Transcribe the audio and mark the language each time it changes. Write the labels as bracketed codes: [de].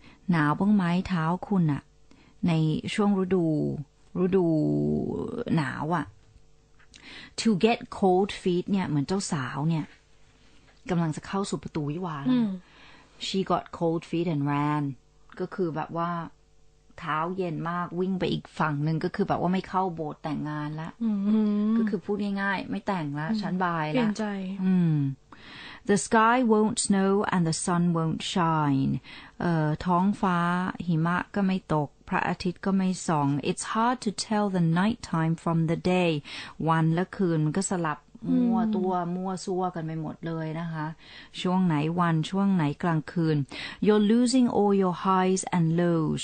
[th] หนาวบ้างไหมเท้าคุณอะในช่วงฤดูหนาวอะ [en] To get cold feet [th] เนี่ยเหมือนเจ้าสาวเนี่ยกำลังจะเข้าสู่ประตูวิวาห์ [en] She got cold feet and ran [th] ก็คือแบบว่าเท้าเย็นมากวิ่งไปอีกฝั่งนึงก็คือแบบว่าไม่เข้าโบสถ์แต่งงานละก็คือพูดง่ายๆไม่แต่งละฉันบายละ เปลี่ยนใจ [en] The sky won't snow and the sun won't shine. [th] ท้องฟ้าหิมะก็ไม่ตกพระอาทิตย์ก็ไม่ส่อง [en] It's hard to tell the night time from the day. [th] วันและคืนมันก็สลับมั่วตัวมั่วซั่วกันไปหมดเลยนะคะช่วงไหนวันช่วงไหนกลางคืน [en] You're losing all your highs and lows.